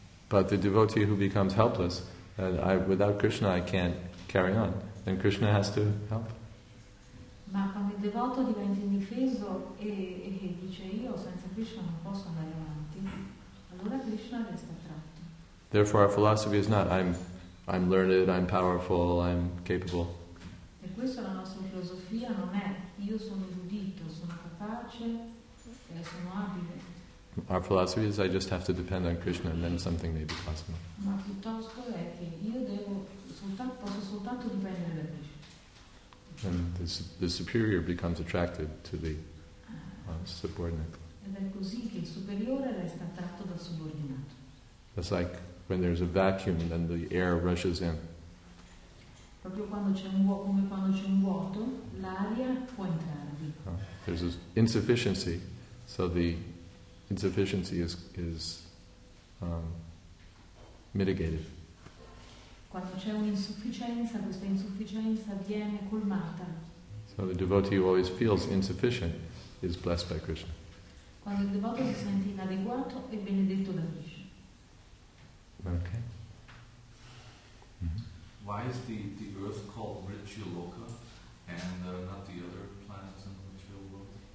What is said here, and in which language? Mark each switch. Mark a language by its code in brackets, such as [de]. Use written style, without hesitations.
[en] But the devotee who becomes helpless, without Krishna I can't carry on, then Krishna has to help. [it] Ma quando il devoto diventa indifeso e dice io senza Krishna non posso andare avanti, allora Krishna resta attratto. [en] Therefore our philosophy is not I'm learned, I'm powerful, I'm capable. [it] E questa la nostra filosofia non è io sono erudito, sono capace, sono abile. [en] Our philosophy is I just have to depend on Krishna and then something may be possible. [it] Ma piuttosto è che io devo soltanto, posso soltanto dipendere da Krishna. [en] And the superior becomes attracted to the subordinate. [it] Ed è così che il superiore resta attratto dal subordinato. [en] It's like when there's a vacuum, then the air rushes in. [it] Proprio quando c'è un vuoto, come quando c'è un vuoto, l'aria può entrarvi. [en] There's an insufficiency, so the insufficiency is mitigated. [it] Quando c'è un'insufficienza, questa insufficienza viene colmata. [en] So the devotee who always feels insufficient is blessed by Krishna. [it] Quando il devoto si sente inadeguato è benedetto da Krishna. Okay. Mm-hmm. [en] Why is the earth called Mrtyu Loka and not the other planets in the material world?